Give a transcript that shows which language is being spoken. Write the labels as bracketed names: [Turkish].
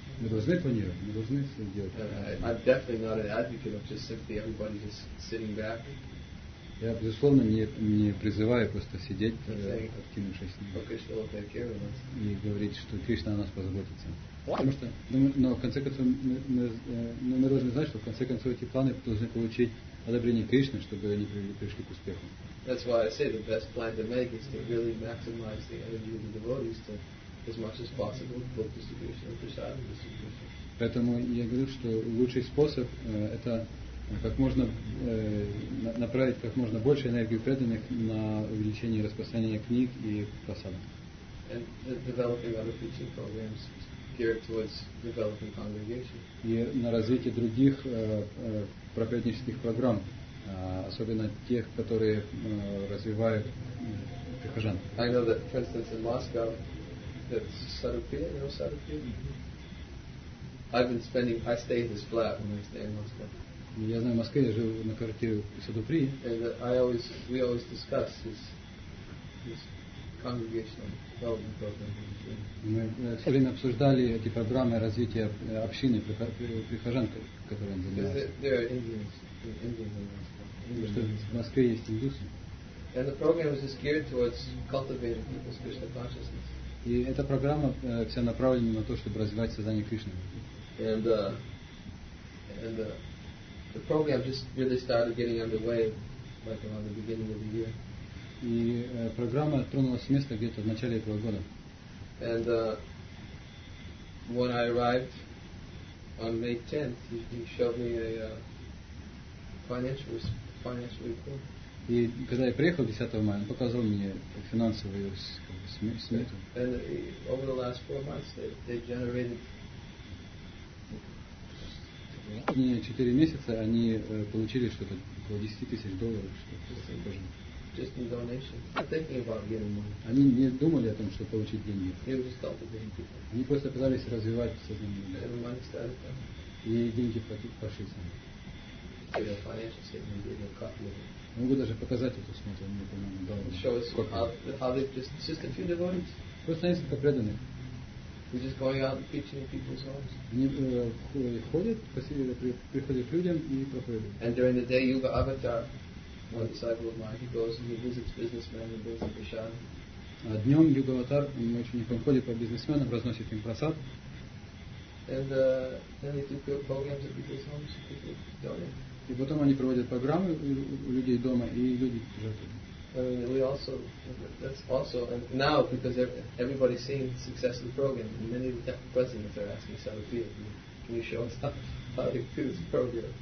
[Russian] Мы должны планировать, мы должны все делать. [English] I'm definitely not an advocate of just simply everybody just sitting back. [Russian] Я, безусловно, не призываю просто сидеть, откинувшись на него. И говорить, что Кришна о нас позаботится. Потому что, но в конце концов, мы должны знать, что в конце концов эти планы должны получить одобрение Кришны, чтобы они пришли к успеху. [English] That's why I say the best plan to make is to really maximize the energy of the devotees to as much as possible book distribution and prasad distribution. [Russian] Поэтому я говорю, что лучший способ это как можно направить как можно больше энергии преданных на увеличение распространения книг и просад. [English] And developing other teaching programs geared towards developing congregation. [Russian] И на развитие других проповеднических программ, особенно тех, которые развивают прихожан. [English] I know that, for instance, in Moscow. That's Sarupia, you know Sarupia? I've been spending, I stay in this flat when I stay in Moscow. [Russian] Я знаю, в Москве я живу на квартире в Садупри. [English] And we always discuss this congregational development program. [Russian] Мы все время обсуждали эти программы развития общины прихожан, которые занимаются. В Москве есть индусы. [English] And the program is just geared towards cultivating people's Krishna consciousness. [Russian] И эта программа вся направлена на то, чтобы развивать сознание Кришны. [English] And the program just really started getting underway like around the beginning of the year. [Russian] И программа тронулась с места где-то в начале этого года. [English] And when I arrived on May 10th, he showed me a financial report. [Russian] И когда я приехал 10 мая, он показал мне финансовую смету. [English] And over the last 4 months, they generated. [Russian] Не 4 месяца, они получили что-то около 10 тысяч долларов, что-то. [English] Just in donation, not thinking about getting money. [Russian] Они не думали о том, что получить деньги. [English] They were just cultivating people. [Russian] Они просто пытались развивать сознание. [English] And the money started coming. [Russian] И деньги пошли сами. [English] They had a financial statement, they had a copy of it. [Russian] Могу даже показать эту смету, мне, по-моему, дал. [English] Show us how they just a few devotees. [Russian] Просто несколько преданных. [English] We're just going out and preaching in people's homes. [Russian] Они ходят, приходят к людям и проповедуют. [English] And during the day, Yuga Avatar, one disciple of mine, he goes and he visits businessmen and brings them prasad. [Russian] А днем Юга Аватар, мой ученик, он ходит по бизнесменам, разносит им просад. [English] And then they do good programs at people's homes, people donate. [Russian] И потом они проводят программы у людей дома, и люди жертвуют. [English] I mean, we also, that's also, and now, because everybody's seen the success of the program, and many of the presidents are asking, can you show us how to do this program?